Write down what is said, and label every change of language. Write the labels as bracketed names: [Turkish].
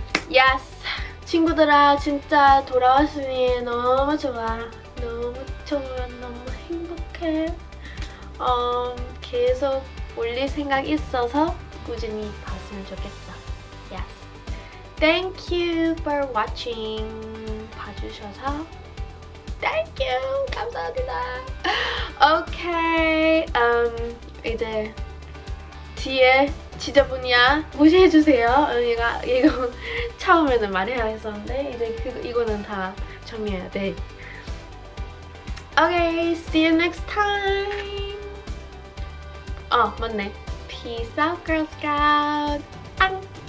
[Korean] 예스! 친구들아, 진짜 돌아왔으니 너무 좋아. 너무 행복해. 계속 올릴 생각 있어서 꾸준히 봤으면 좋겠어. [English] 예스! Thank you for watching. [Korean] 봐주셔서 [English] Thank you! [Korean] 감사합니다. Okay. 이제 뒤에 지저분이야 무시해주세요. 이거 처음에는 말해야 했었는데 이제 이거는 다 정리해야 돼. [English] Okay, see you next time. [Korean] 맞네. [English] Peace out, Girl Scout. [Korean] 안녕.